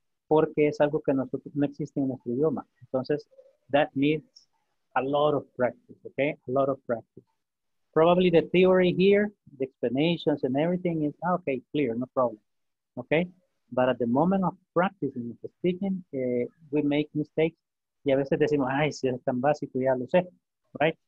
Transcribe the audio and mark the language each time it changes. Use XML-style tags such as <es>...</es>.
<es>porque es algo que nosotros no existe en nuestro idioma.</es> <en>Entonces, that needs a lot of practice, okay? A lot of practice. Probably the theory here, the explanations and everything is, okay, clear, no problem, okay? But at the moment of practicing the speaking, we make mistakes.</en> <es>Y a veces decimos, ay, si es tan básico, ya lo sé, right?</es>